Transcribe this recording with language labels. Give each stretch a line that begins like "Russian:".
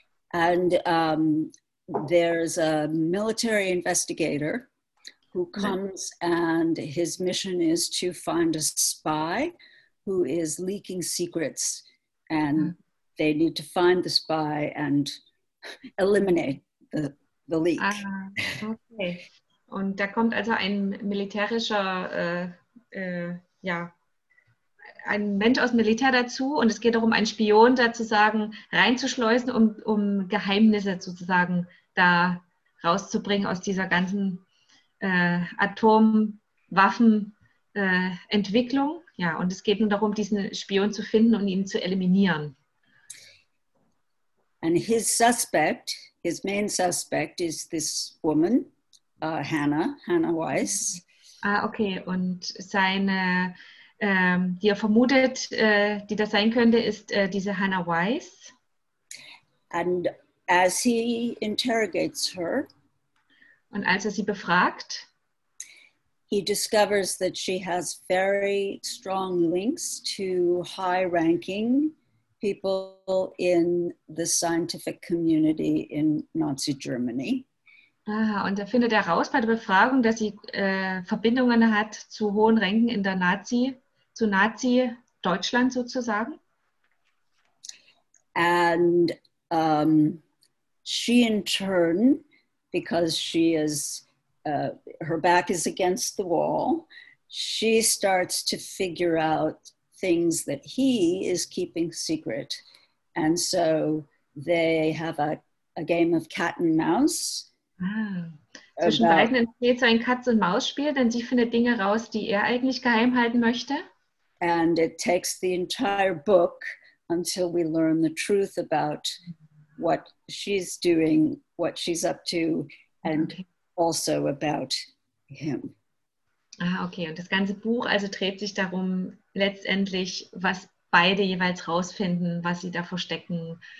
English: And there's a military investigator who comes, and his mission is to find a spy who is leaking secrets, and they need to find the spy and eliminate the leak. Ah, okay.
German: Und da kommt also ein militärischer, ein Mensch aus dem Militär dazu, und es geht darum, einen Spion sozusagen reinzuschleusen, um Geheimnisse sozusagen da rauszubringen aus dieser ganzen Atomwaffenentwicklung. Ja, und es geht nun darum, diesen Spion zu finden und ihn zu eliminieren.
English: And his main suspect is this woman, Hannah Weiss. Ah, okay.
German: Und seine, die er vermutet, die das sein könnte, ist diese Hannah Weiss.
English: And as he interrogates her,
German: und als er sie befragt,
English: he discovers that she has very strong links to high-ranking people in the scientific community in Nazi Germany.
German: Ah, und er findet heraus bei der Befragung, dass sie Verbindungen hat zu hohen Rängen in der Nazi Deutschland sozusagen.
English: And she in turn, because she is, her back is against the wall, she starts to figure out things that he is keeping secret. And so they have a game of cat and mouse. Ah.
German: Zwischen beiden entsteht so ein Katz- und Maus-Spiel, denn sie findet Dinge raus, die er eigentlich geheim halten möchte.
English: And it takes the entire book until we learn the truth about what she's doing, what she's up to, and also about him. Ah, okay.
German: Und das ganze Buch also dreht sich darum, letztendlich, was beide jeweils rausfinden, was sie da verstecken.